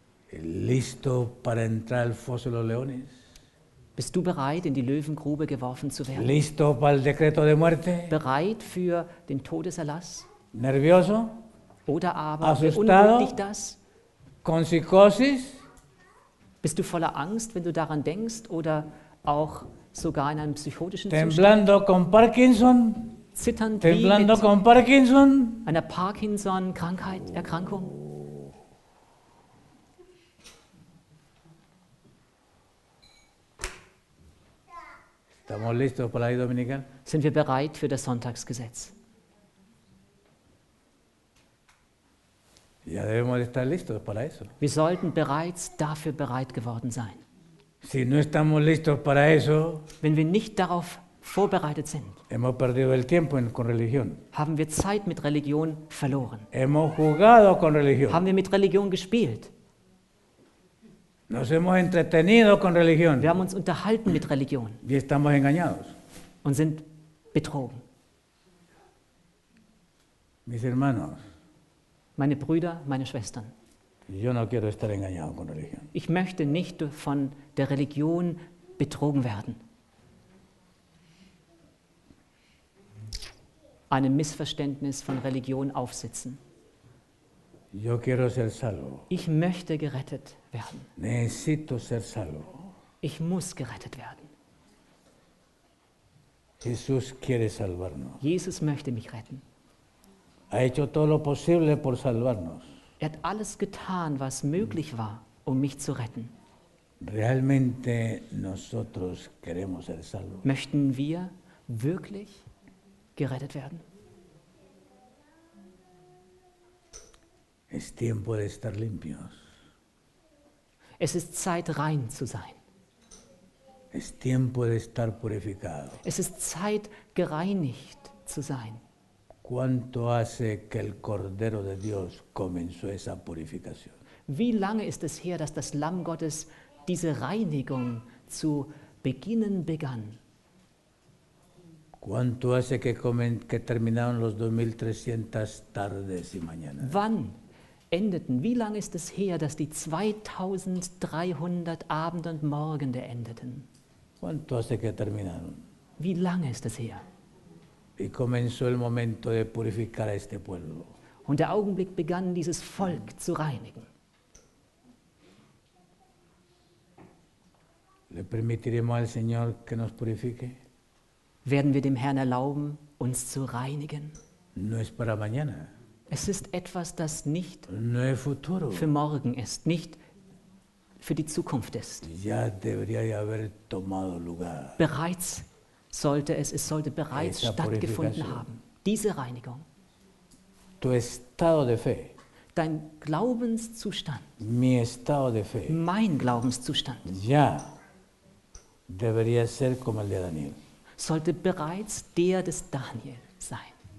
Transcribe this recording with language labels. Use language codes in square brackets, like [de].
[es] Listo para entrar al foso de los leones. [de] Bist du bereit, in die Löwengrube geworfen zu werden? [es] Listo para el decreto de muerte. [de] Bereit für den Todeserlass? [es] Nervioso, [de] oder aber [es] asustado, [de] dich das? [es] Con psicosis, [de] bist du voller Angst, wenn du daran denkst, oder auch sogar in einem psychotischen [es] temblando [de] Zustand? [es] Con Parkinson, [de] zitternd [es] temblando [de] wie [es] con Parkinson, [de] einer Parkinson-Krankheit, Erkrankung? [es] Estamos listos para la ley dominical? [de] Sind wir bereit für das Sonntagsgesetz? [es] Ya debemos estar listos para eso. [de] Wir sollten bereits dafür bereit geworden sein. [es] Si no estamos listos para eso, [de] wenn wir nicht darauf vorbereitet sind, [es] hemos perdido el tiempo con religión. [de] Haben wir Zeit mit Religion verloren. [es] Hemos jugado con religión. [de] Haben wir mit Religion gespielt. [es] Nos hemos entretenido con religión. [de] Wir haben uns unterhalten mit Religion. [es] Wir estamos engañados. [de] Und sind betrogen. [es] Mis hermanos, [de] meine Brüder, meine Schwestern. [es] Yo no quiero estar engañado con religión. [de] Ich möchte nicht von der Religion betrogen werden. Einem Missverständnis von Religion aufsitzen. [es] Yo quiero ser salvo. [de] Ich möchte gerettet werden. [es] Necesito ser salvo. [de] Ich muss gerettet werden. [es] Jesús quiere salvarnos. [de] Jesus möchte mich retten. [es] Ha hecho todo lo posible por salvarnos. [de] Er hat alles getan, was möglich war, um mich zu retten. [es] Realmente nosotros queremos ser salvos. [de] Möchten wir wirklich gerettet werden? [es] Es tiempo de estar limpios. [de] Es ist Zeit, rein zu sein. [es] Es tiempo de estar purificado. [de] Es ist Zeit, gereinigt zu sein. [es] ¿Cuánto hace que el Cordero de Dios comenzó esa purificación? [de] Wie lange ist es her, dass das Lamm Gottes diese Reinigung zu beginnen begann? [es] ¿Cuánto hace que terminaron los 2300 tardes y mañanas? [de] Wann endeten? Wie lange ist es her, dass die 2300 Abende und Morgende endeten? [es] ¿Cuánto hace que terminaron? [de] Wie lange ist es her? [es] Y comenzó el momento de purificar a este pueblo. [de] Und der Augenblick begann, dieses Volk zu reinigen. [es] Le permettiremo al Signore che nos purifique? [de] Werden wir dem Herrn erlauben, uns zu reinigen? [es] No es para mañana. [de] Es ist etwas, das nicht [es] no es futuro. [de] Für morgen ist, nicht für die Zukunft ist. [es] Ya debería haber tomado lugar. [de] Bereits sollte es sollte bereits Esa stattgefunden haben, diese Reinigung. [es] Tu estado de fe. [de] Dein Glaubenszustand. [es] Mi estado de fe. [de] Mein Glaubenszustand. [es] Ya debería ser como el de Daniel. [de] Sollte bereits der des Daniel sein.